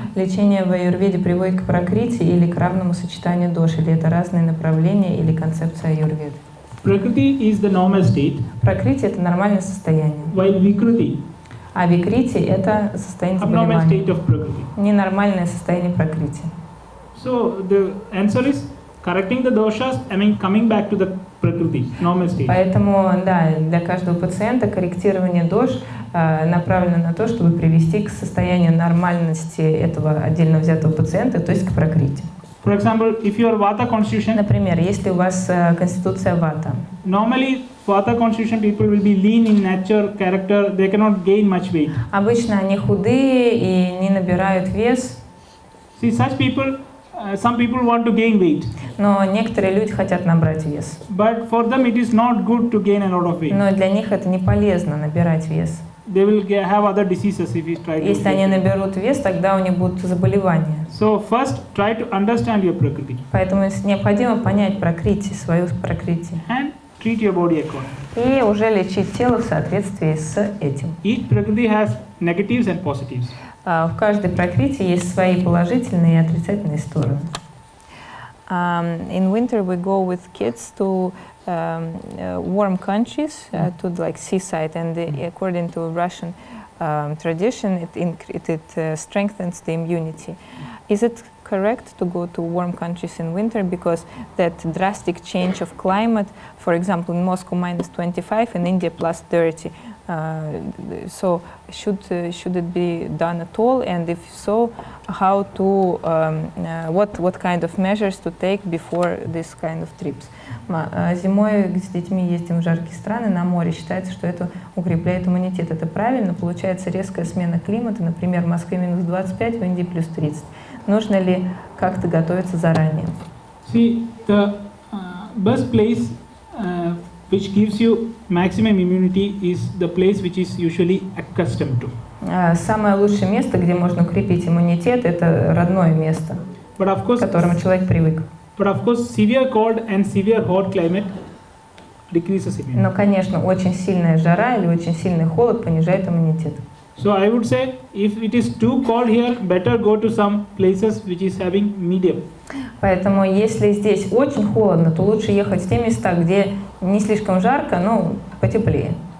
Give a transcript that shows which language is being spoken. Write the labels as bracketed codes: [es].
[ru] Лечение в Аюрведе приводит к пракрити или к равному сочетанию доши, или это разные направления или концепции Аюрведы? [en] Prakriti is the normal state. [ru] Пракрити это нормальное состояние. [en] While vikriti. [ru] А викрити это состояние заболевания. [en] Abnormal state of prakriti. [ru] Ненормальное состояние пракрити. [en] So the answer is correcting the doshas, I mean coming back to the prakriti, normal state. [ru] Поэтому, да, для каждого пациента корректирование дош направлено на то, чтобы привести к состоянию нормальности этого отдельно взятого пациента, то есть к прокрити. [en] For example, if you are vata constitution. [ru] Например, если у вас конституция вата. [en] Normally, vata constitution people will be lean in nature, character. They cannot gain much weight. [ru] Обычно они худые и не набирают вес. [en] See, such people, some people want to gain weight. [ru] Но некоторые люди хотят набрать вес. [en] But for them, it is not good to gain a lot of weight. [ru] Но для них это не полезно набирать вес. [en] They will have other diseases if you try to. [ru] Если они наберут вес, тогда у них будут заболевания. [en] So first, try to understand your prakriti. [ru] Поэтому необходимо понять прокрити, свою прокрити. [en] And treat your body accordingly. [ru] И уже лечить тело в соответствии с этим. [en] Each prakriti has negatives and positives. [ru] В каждой прокрити есть свои положительные и отрицательные стороны. [en] In winter we go with kids to warm countries, to like seaside, and according to Russian tradition, it strengthens the immunity. Is it correct to go to warm countries in winter because that drastic change of climate, for example, in Moscow minus 25, in India plus 30, so should it be done at all? And if so, how to what kind of measures to take before this kind of trips? [ru] Зимой с детьми ездим в жаркие страны на море. Считается, что это укрепляет иммунитет. Это правильно. Получается резкая смена климата. Например, в Москве минус 25, в Индии плюс 30. Нужно ли как-то готовиться заранее? [en] See, the best place which gives you maximum immunity is the place which is usually accustomed to. [ru] Самое лучшее место, где можно укрепить иммунитет, это родное место, [en] but of course, [ru] к которому человек привык. [en] But of course, severe cold and severe hot climate decreases immunity. [ru] Но, конечно, очень сильная жара или очень сильный холод понижает иммунитет. [en] So I would say, if it is too cold here, better go to some places which is having medium. [ru] Поэтому, если здесь очень холодно, то лучше ехать в те места, где не слишком жарко, но потеплее.